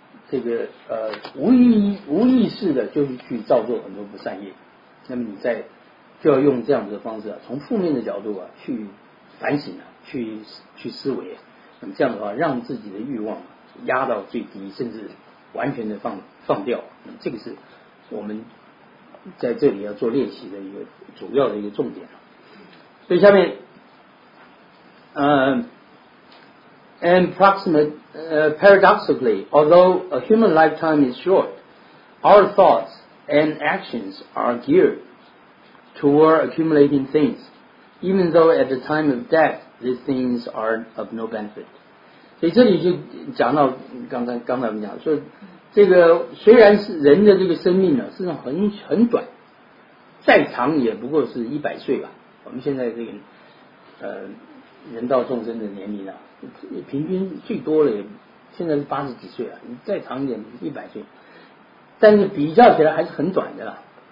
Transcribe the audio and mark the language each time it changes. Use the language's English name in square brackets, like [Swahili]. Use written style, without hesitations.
[Chinese] 这个无意识的就是去造作很多不善业，那么你在就要用这样子的方式啊，从负面的角度啊去反省啊，去思维啊，那么这样的话让自己的欲望压到最低，甚至完全的放掉，那么这个是我们在这里要做练习的一个主要的一个重点。所以下面 [English] And paradoxically, although a human lifetime is short, our thoughts and actions are geared toward accumulating things, even though at the time of death, these things are of no benefit. [Chinese] 所以这里就讲到刚才我们讲说，这个虽然是人的这个生命呢，实际上很短，再长也不过是100岁吧。我们现在这个人道众生的年龄啊，平均最多了现在是80几岁了，你再长一点100岁，但是比较起来还是很短的了。